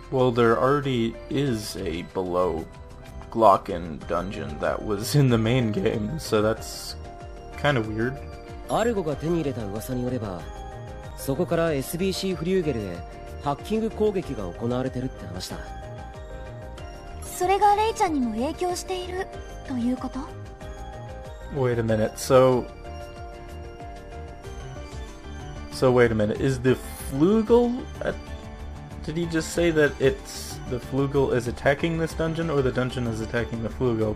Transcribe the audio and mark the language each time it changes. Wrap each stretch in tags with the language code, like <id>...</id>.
<en>there already is a below Glocken dungeon that was in the main game, so that's kind of weird.</en> <ja>アルゴが手に入れた噂によれば、そこから SBC フリューゲルへハッキング攻撃が行われてるって話だ。それがレイちゃんにも影響しているということ?</ja> <en>Wait a minute, So wait a minute, is the Flugel... Did he just say that it's... the Flugel is attacking this dungeon, or the dungeon is attacking the Flugel?</en>